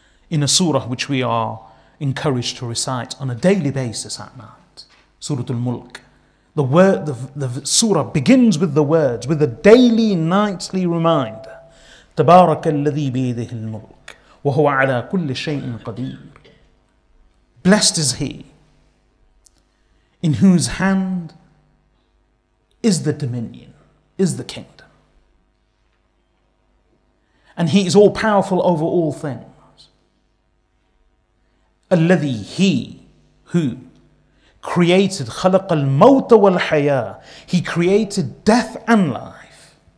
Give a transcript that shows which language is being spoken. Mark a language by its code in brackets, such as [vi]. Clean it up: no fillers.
[en] In a surah which we are encouraged to recite on a daily basis at night, Surah Al-Mulk. The surah begins with the words, with a daily, nightly reminder. [ar] تبارك الذي بيده الملك وهو على كل شيء قدير. [en] Blessed is he in whose hand is the dominion, is the kingdom. And he is all powerful over all things. Alladhi, he who created, [ar] خلق الموت والحياة, [en] he created death and life.